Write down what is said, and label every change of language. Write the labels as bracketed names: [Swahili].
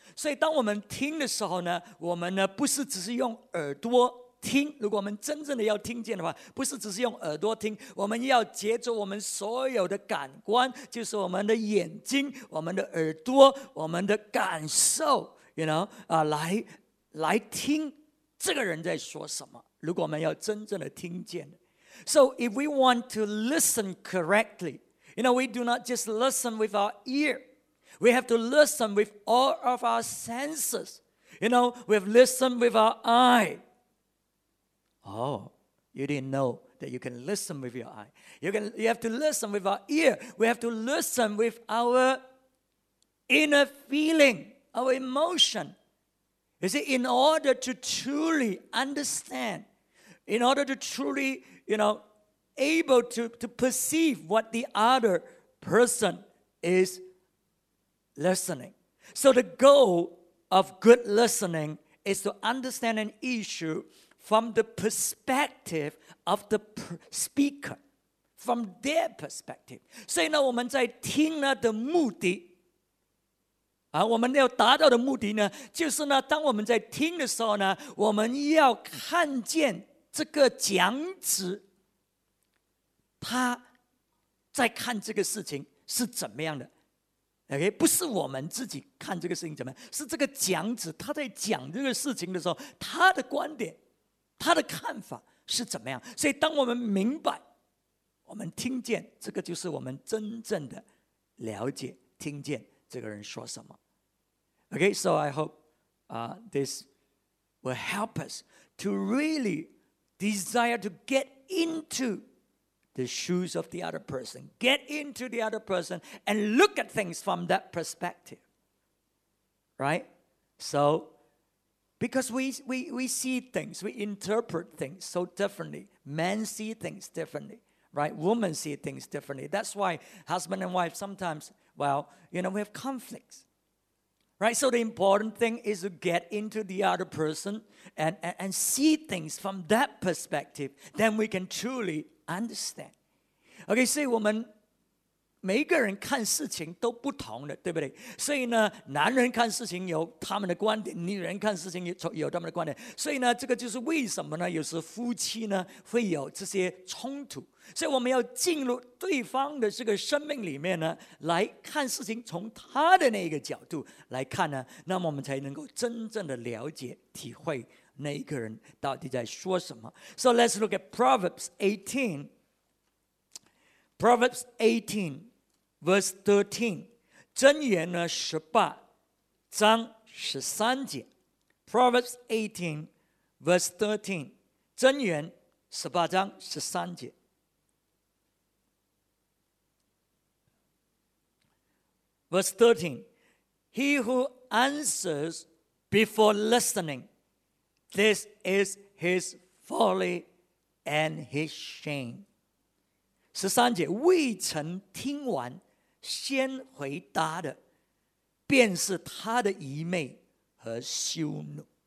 [Chinese] 所以当我们听的时候呢，我们呢不是只是用耳朵听，如果我们真正的要听见的话，不是只是用耳朵听，我们要借着我们所有的感官，就是我们的眼睛、我们的耳朵、我们的感受， you know, 啊，来听这个人在说什么。如果我们要真正的听见的， [English] So if we want to listen correctly, you know, we do not just listen with our ear, we have to listen with all of our senses, you know, we have listened with our eye. Oh, you didn't know that you can listen with your eye. You have to listen with our ear. We have to listen with our inner feeling, our emotion. You see, in order to truly understand, in order to truly, you know, able to perceive what the other person is listening. So the goal of good listening is to understand an issue. From the perspective of the speaker, from their perspective. [Chinese] 所以呢，我们在听呢的目的，啊，我们要达到的目的呢，就是呢，当我们在听的时候呢，我们要看见这个讲者，他在看这个事情是怎么样的。 OK， 不是我们自己看这个事情怎么样，是这个讲者他在讲这个事情的时候，他的观点。他的看法是怎么样？所以当我们明白，我们听见，这个就是我们真正的了解，听见这个人说什么。 [English] Okay, so I hope, this will help us to really desire to get into the shoes of the other person, get into the other person and look at things from that perspective. Right? So,Because we see things, we interpret things so differently. Men see things differently, right? Women see things differently. That's why husband and wife sometimes, well, you know, we have conflicts, right? So the important thing is to get into the other person and see things from that perspective. Then we can truly understand. Okay, see, woman... [Chinese] 每个人看事情都不同的，对不对？所以呢，男人看事情有他们的观点，女人看事情有他们的观点。所以呢，这个就是为什么呢？有时夫妻呢会有这些冲突。所以我们要进入对方的这个生命里面呢，来看事情，从他的那个角度来看呢，那么我们才能够真正的了解、体会那一个人到底在说什么。 [English] So let's look at Proverbs 18. Proverbs 18, verse 13. [Chinese] 箴言呢十八章十三节 [English] Proverbs 18, verse 13. [Chinese] 箴言十八章十三节 [English] Verse 13. He who answers before listening, this is his folly and his shame. [Chinese] 十三节，未曾听完先回答的，便是他的愚昧和羞怒。